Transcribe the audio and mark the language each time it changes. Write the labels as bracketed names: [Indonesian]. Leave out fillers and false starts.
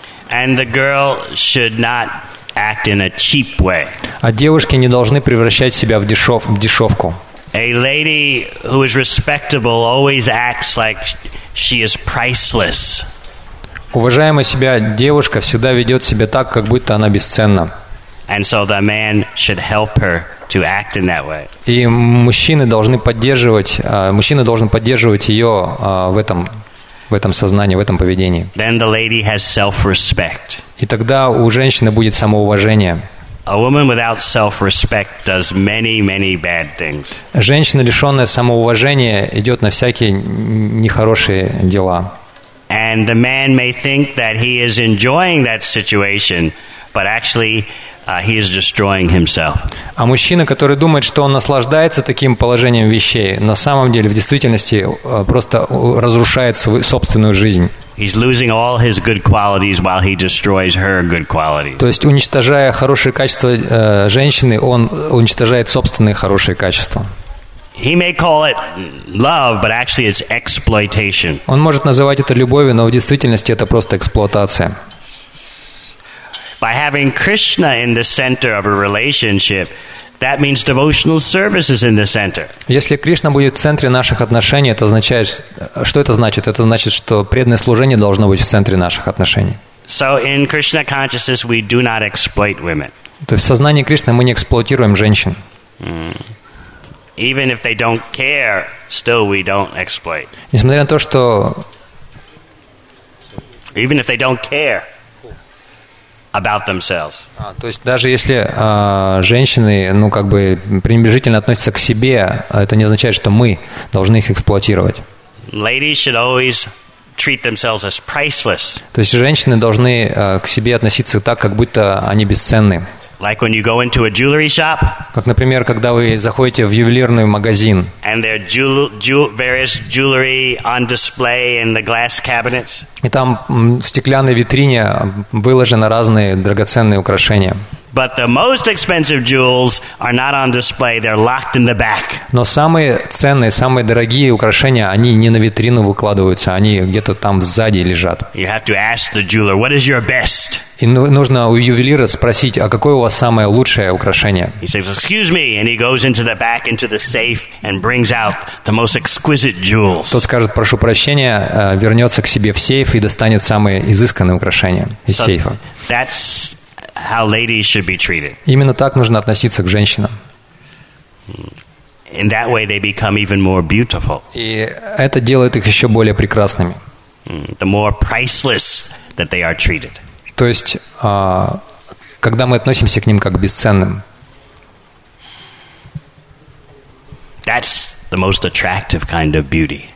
[English] And the girl should not act in a cheap way. [Russian] А девушки не должны превращать себя в дешевку. [English] A lady who is respectable always acts like she is priceless. [Russian] Уважаемая себя девушка всегда ведет себя так, как будто она бесценна. [English] And so the man should help her to act in that way. [Russian] И мужчина должен поддерживать ее в этом сознании, в этом поведении. [English] Then the lady has self-respect. [Russian] И тогда у женщины будет самоуважение. [English] A woman without self-respect does many, many bad things. [Russian] Женщина, лишенная самоуважения, идет на всякие нехорошие дела. [English] And the man may think that he is enjoying that situation, but actually he is destroying himself. [Russian] А мужчина, который думает, что он наслаждается таким положением вещей, на самом деле, в действительности, просто разрушает свою собственную жизнь. [English] He's losing all his good qualities while he destroys her good qualities. [Russian] То есть, уничтожая хорошие качества женщины, он уничтожает собственные хорошие качества. [English] He may call it love, but actually it's exploitation. [Russian] Он может называть это любовью, но в действительности это просто эксплуатация. [English] By having Krishna in the center of a relationship, that means devotional service is in the center. [Russian] Если Кришна будет в центре наших отношений, это означает, что это значит? Это значит, что преданное служение должно быть в центре наших отношений. [English] So in Krishna consciousness we do not exploit women. [Russian] То есть в сознании Кришны мы не эксплуатируем женщин. [English] Even if they don't care, still we don't exploit. [Russian] Несмотря на то, что [English] even if they don't care about themselves. [Russian] То есть даже если женщины, ну, как бы пренебрежительно относятся к себе, это не означает, что мы должны их эксплуатировать. [English] Ladies should always treat themselves as priceless. [Russian] То есть женщины должны к себе относиться так, как будто они бесценны. [English] Like when you go into a jewelry shop. [Russian] Как, например, когда вы заходите в ювелирный магазин. [English] And there are various jewelry on display in the glass cabinets. [Russian] И там в стеклянной витрине выложены разные драгоценные украшения. [English] But the most expensive jewels are not on display. They're locked in the back. [Russian] Но самые ценные, самые дорогие украшения, они не на витрину выкладываются, они где-то там сзади лежат. [English] You have to ask the jeweler, what is your best? [Russian] И нужно у ювелира спросить, а какое у вас самое лучшее украшение? [English] He says, excuse me, and he goes into the back, into the safe, and brings out the most exquisite jewels. [Russian] Тот скажет, прошу прощения, вернется к себе в сейф и достанет самые изысканные украшения из сейфа. [English] That's how ladies should be treated. [Russian] Именно так нужно относиться к женщинам. [English] In that way they become even more beautiful. [Russian] И это делает их еще более прекрасными. [English] The more priceless that they are treated. [Russian] То есть, когда мы относимся к ним как к бесценным. [English] That's the most attractive kind of beauty.